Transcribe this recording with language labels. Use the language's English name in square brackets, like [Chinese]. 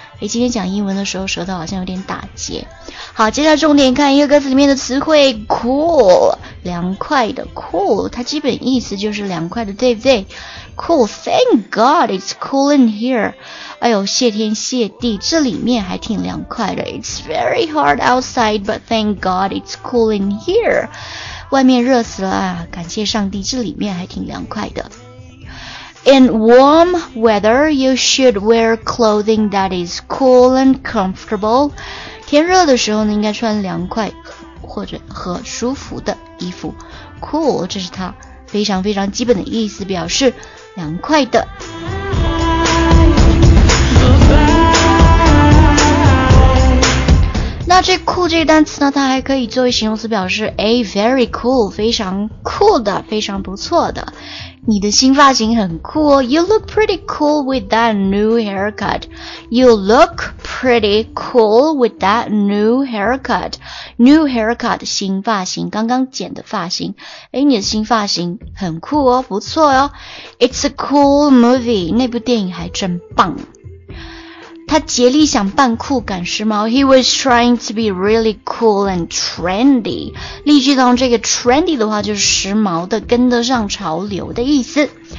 [Chinese] 诶今天讲英文的时候舌头好像有点打结。好接下来重点看一个歌词里面的词汇 cool, 凉快的 cool, 它基本意思就是凉快的对不对 ?cool, [English] thank god, it's cool in here. [Chinese] 哎呦谢天谢地这里面还挺凉快的。 [English] It's very hot outside, but thank god, it's cool in here. [Chinese] 外面热死了啊感谢上帝这里面还挺凉快的。 [English] In warm weather, you should wear clothing that is cool and comfortable. [Chinese] 天热的时候呢，应该穿凉快或者和舒服的衣服。 Cool, 这是它非常非常基本的意思，表示凉快的。那这 cool 这个单词呢，它还可以作为形容词表示 a very cool, 非常 cool 的，非常不错的。你的新发型很酷哦 [English] You look pretty cool with that new haircut. You look pretty cool with that new haircut. [Chinese] New haircut, 新发型，刚刚剪的发型。诶，你的新发型很酷哦，不错哦。 [English] It's a cool movie. [Chinese] 那部电影还真棒。他竭力想扮酷赶时髦 [English] He was trying to be really cool and trendy [Chinese] 例句当中这个 trendy 的话就是时髦的跟得上潮流的意思